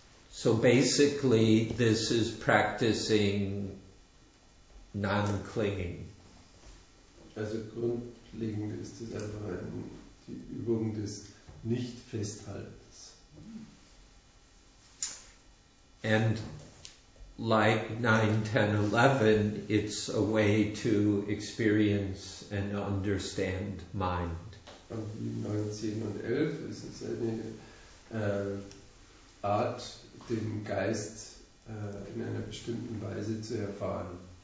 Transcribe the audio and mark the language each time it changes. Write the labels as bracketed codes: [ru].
[en] So basically, this is practicing non-clinging. [de] Also grundlegend ist das einfach die Übung des nicht festhaltens. [en] And like 9, 10, 11, it's a way to experience and understand mind. [de] Und wie 9, 10 und 11 ist es eine Art, den Geist in einer bestimmten Weise zu erfahren.